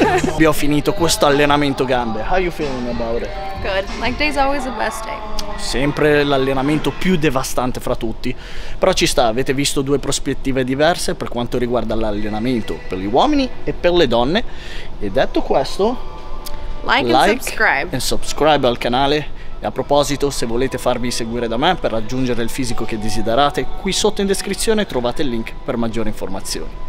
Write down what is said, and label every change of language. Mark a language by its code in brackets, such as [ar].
[it] Abbiamo finito questo allenamento gambe. [en] How you feeling about it? Good. Leg day is always the best day. [it] Sempre l'allenamento più devastante fra tutti. Però ci sta, avete visto due prospettive diverse per quanto riguarda l'allenamento per gli uomini e per le donne. E detto questo, [en] like and subscribe [it] al canale. E a proposito, se volete farvi seguire da me per raggiungere il fisico che desiderate, qui sotto in descrizione trovate il link per maggiori informazioni.